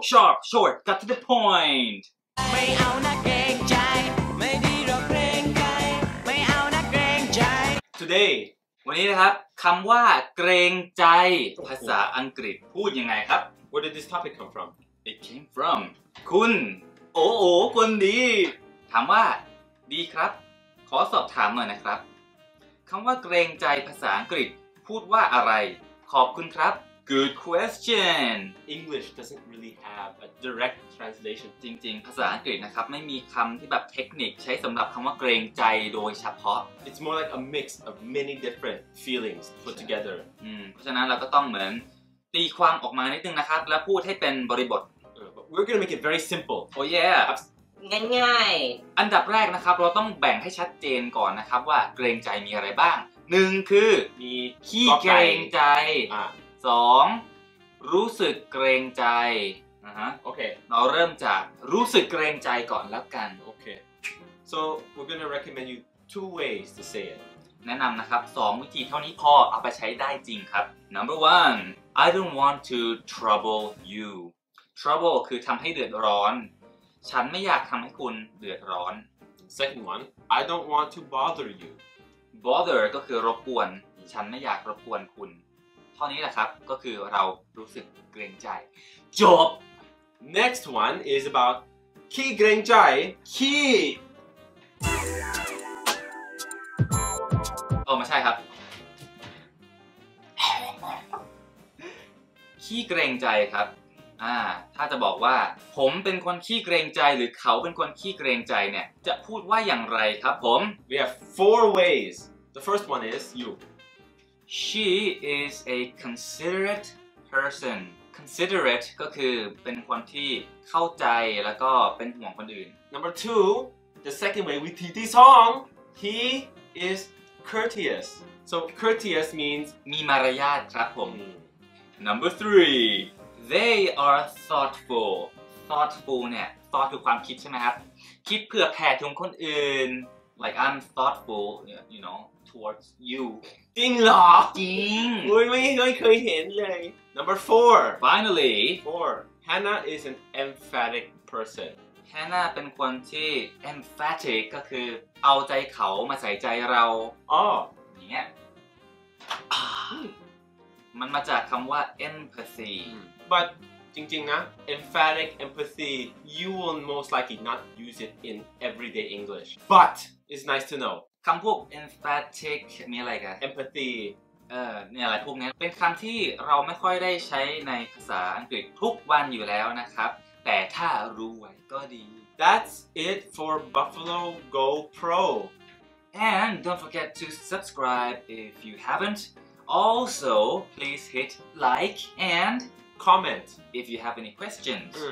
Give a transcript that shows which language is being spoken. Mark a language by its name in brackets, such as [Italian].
[English] Sharp, short, got to the point. [Thai] ไม่เอานะเกรงใจไม่ดีหรอกเกรงใจไม่เอานะเกรงใจ [English] Today [Thai] วันนี้นะครับคำว่าเกรงใจภาษาอังกฤษพูดยังไงครับ [English] Where did this topic come from? It came from [Thai] คุณโอ้โอ้คนดีถามว่าดีครับขอสอบถามหน่อยนะครับคำว่าเกรงใจภาษาอังกฤษพูดว่าอะไรขอบคุณครับ [English] Good question. English doesn't really have a direct translation. [Thai] จริงๆภาษาอังกฤษนะครับไม่มีคำที่แบบเทคนิคใช้สำหรับคำว่าเกรงใจโดยเฉพาะ [English] It's more like a mix of many different feelings put together. [Thai] เพราะฉะนั้นเราก็ต้องเหมือนตีความออกมานิดนึงนะครับแล้วพูดให้เป็นบริบท [English] We're gonna make it very simple. Oh yeah. [Thai] ง่ายๆ อันดับแรกนะครับเราต้องแบ่งให้ชัดเจนก่อนนะครับว่าเกรงใจมีอะไรบ้างหนึ่งคือ มี ขี้เกรงใจสองรู้สึกเกรงใจนะฮะ โอเค เราเริ่มจากรู้สึกเกรงใจก่อนแล้วกัน โอเค [English] so we're gonna recommend you two ways to say it [Thai] แนะนำนะครับสองวิธีเท่านี้พอเอาไปใช้ได้จริงครับ [English] number one I don't want to trouble you trouble [Thai] คือทำให้เดือดร้อนฉันไม่อยากทำให้คุณเดือดร้อน [English] second one I don't want to bother you [Thai] bother ก็คือรบกวนฉันไม่อยากรบกวนคุณข้อนี้แหละครับก็คือเรารู้สึกเกรงใจจบ [English] next one is about ขี้เกรงใจ [Thai] ขี้โอ้ไม่ใช่ครับขี้เกรงใจครับถ้าจะบอกว่าผมเป็นคนขี้เกรงใจหรือเขาเป็นคนขี้เกรงใจเนี่ยจะพูดว่าอย่างไรครับผม [English] we have four ways the first one is you She is a considerate person. [Thai] Considerate ก็คือเป็นคนที่เข้าใจแล้วก็เป็นห่วงคนอื่น [English] Number two, the second way [Thai] วิธีที่สอง [English] He is courteous. So courteous means [Thai] มีมารยาทครับผม [English] Number three, they are thoughtful. [Thai] Thoughtful เนี่ย thought คือความคิดใช่ไหมครับคิดเพื่อแผ่ถึงคนอื่น [English] Like I'm thoughtful, you know. Towards you. [Thai] จริงเหรอ จริง ไม่เคยเห็นเลย [English] Number four. Finally. Four. Hannah is an emphatic person. [Thai] Hannah เป็นคนที่ emphatic ก็คือเอาใจเขามาใส่ใจเรา อ ย่างเงี้ยมันมาจากคำว่า empathy. [English] But [Thai] จริงๆนะ [English] emphatic empathy you will most likely not use it in everyday English. But it's nice to know. [Thai] คำพวก empathic มีอะไรกัน [English] empathy [Thai] เนี่ยอะไรพวกนี้เป็นคำที่เราไม่ค่อยได้ใช้ในภาษาอังกฤษทุกวันอยู่แล้วนะครับแต่ถ้ารู้ไว้ก็ดี [English] That's it for Buffalo Go Pro and don't forget to subscribe if you haven't also please hit like and comment if you have any questions